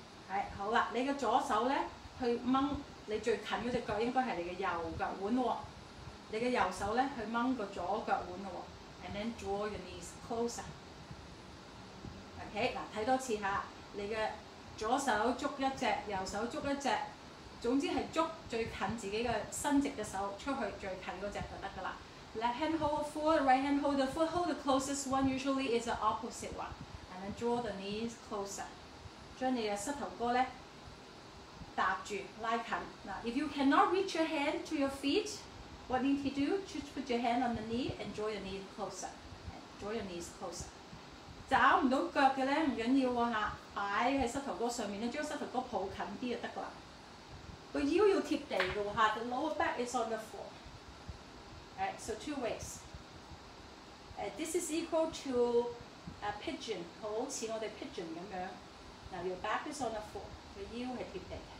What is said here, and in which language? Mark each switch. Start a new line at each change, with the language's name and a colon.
Cantonese: Alright, 好啦, 你的左手呢去掹, 你最近的腳應該是你的右腳腕，你的右手去掹左腳腕。
English: And then draw your knees closer.
Cantonese: OK, 看多次下, 你的左手捉一隻，右手捉一隻, 總之是捉最近自己的伸直的手出去最近那隻就可以了。
English: Left hand hold the foot, right hand hold the foot, hold the closest one, usually is the opposite one. And then draw the knees closer.
Cantonese: 將你的膝頭哥呢, 搭住,拉近.
English: If you cannot reach your hand to your feet, what need to do? Just put your hand on the knee and draw your knees closer. Draw your knees closer.
Cantonese: 找不到腳的呢,不要緊啊, 放在膝頭哥上面,將膝頭哥抱近一點就可以了。腰要貼地的,
English: the lower back is on the floor. Alright, so two ways. This is equal to a pigeon,
Cantonese: 好像我們pigeon一樣.
English: Now your back is on the floor,
Cantonese: 腰是貼地的.